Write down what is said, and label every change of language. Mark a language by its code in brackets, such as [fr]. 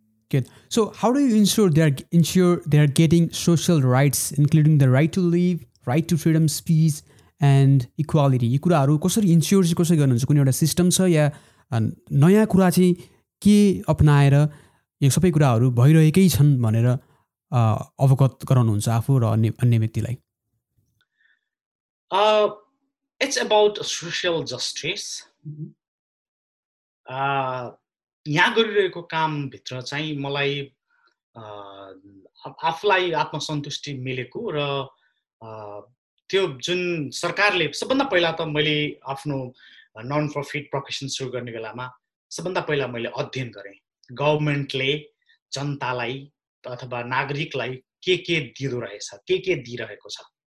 [en] good, so how do you ensure they are getting social rights including the right to live, right to freedom speech and equality, [ne] यी कुराहरू कसरी ensure चाहिँ कसरी गर्नुहुन्छ, कुनै एउटा सिस्टम छ या नयाँ कुरा चाहिँ के अप्नाएर यो सबै कुराहरू भइरहेकै छन् भनेर अवगत गराउनुहुन्छ आफू र अन्य व्यक्तिलाई? [en] It's about social justice. [ne] यहाँ गरिरहेको कामभित्र चाहिँ मलाई आफूलाई आत्मसन्तुष्टि मिलेको र त्यो जुन सरकारले सबभन्दा पहिला त मैले आफ्नो नन प्रफिट प्रोफेसन सुरु गर्ने बेलामा सबभन्दा पहिला मैले अध्ययन गरेँ गभर्मेन्टले जनतालाई अथवा नागरिकलाई के दिँदो रहेछ, के दिइरहेको छ,